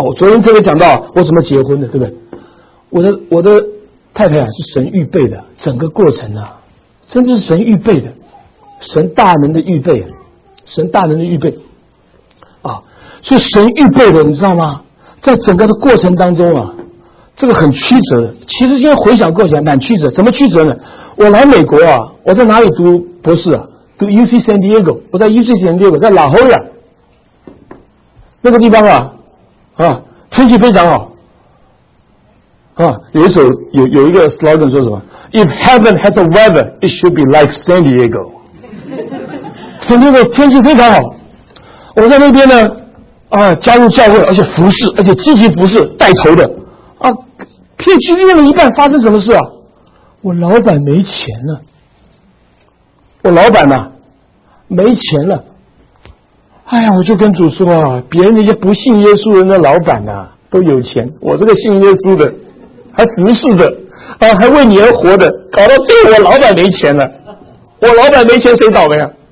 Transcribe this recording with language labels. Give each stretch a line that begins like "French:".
Chinese: 我昨天特别讲到我怎么结婚的，对不对？我的太太啊，是神预备的，整个过程啊，甚至是神预备的，神大能的预备啊，神大能的预备啊，所以神预备的，你知道吗？在整个的过程当中啊，这个很曲折的。其实现在回想过去蛮曲折，怎么曲折呢？我来美国啊，我在哪里读博士啊？读 UC San Diego， 我在 UC San Diego， 在La Jolla那个地方啊，天气非常好啊。有一个 slogan 说什么
English: ？If heaven has a weather, it should be like San Diego。
Chinese: 神经的天气非常好，我在那边呢，啊，加入教会，而且服侍，而且积极服侍，带头的，啊，片区练了一半，发生什么事啊？我老板没钱了，我老板呢，没钱了，哎呀，我就跟主说啊，别人那些不信耶稣人的老板呢，都有钱，我这个信耶稣的，还服侍的，啊，还为你而活的，搞到最后我老板没钱了，我老板没钱谁倒霉啊？